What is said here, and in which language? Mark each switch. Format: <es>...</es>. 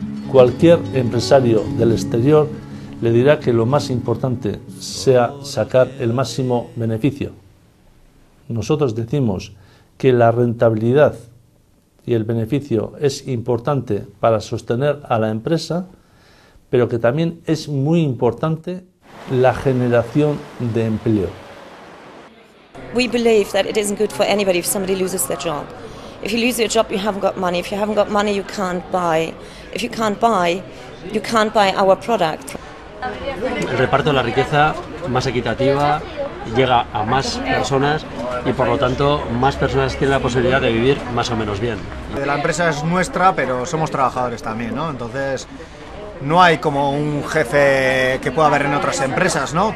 <es>Cualquier empresario del exterior le dirá que lo más importante sea sacar el máximo beneficio. Nosotros decimos que la rentabilidad y el beneficio es importante para sostener a la empresa, pero que también es muy importante la generación de empleo.</es> <en>We believe that it isn't good for anybody if somebody loses their job. If you lose your job, you haven't got money. If you haven't got money, you can't buy. If you can't buy, you can't buy our product.</en> <es>El reparto de la riqueza más equitativa llega a más personas y por lo tanto más personas tienen la posibilidad de vivir más o menos bien. La empresa es nuestra, pero somos trabajadores también, ¿no? Entonces no hay como un jefe que pueda haber en otras empresas, ¿no?</es>